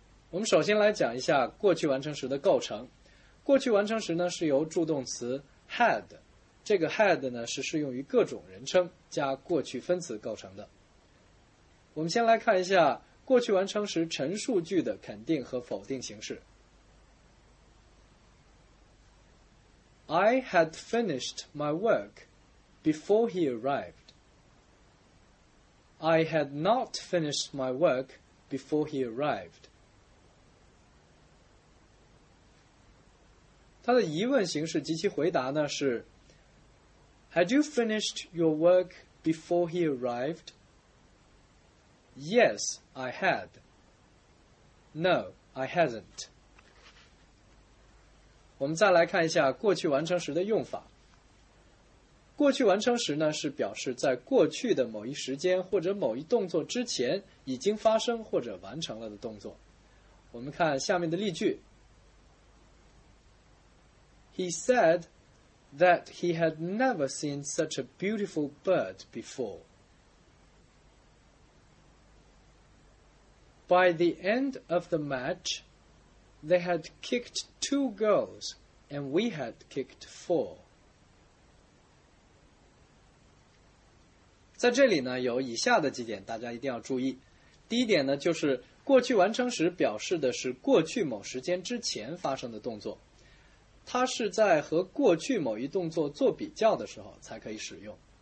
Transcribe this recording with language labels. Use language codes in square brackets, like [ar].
[zh] 我们首先来讲一下过去完成时的构成。过去完成时呢，是由助动词 had， 这个 had 呢是适用于各种人称加过去分词构成的。我们先来看一下过去完成时陈述句的肯定和否定形式。 [en] I had finished my work before he arrived. I had not finished my work before he arrived. [zh] 他的疑问形式及其回答呢是 [en] Had you finished your work before he arrived? Yes, I had. No, I hadn't. [zh] 我们再来看一下过去完成时的用法。过去完成时呢，是表示在过去的某一时间或者某一动作之前已经发生或者完成了的动作。我们看下面的例句。 [en] He said that he had never seen such a beautiful bird before. By the end of the match,They had kicked two goals, and we had kicked four. [zh] 在这里呢，有以下的几点大家一定要注意。第一点呢，就是过去完成时表示的是过去某时间之前发生的动作，它是在和过去某一动作做比较的时候才可以使用。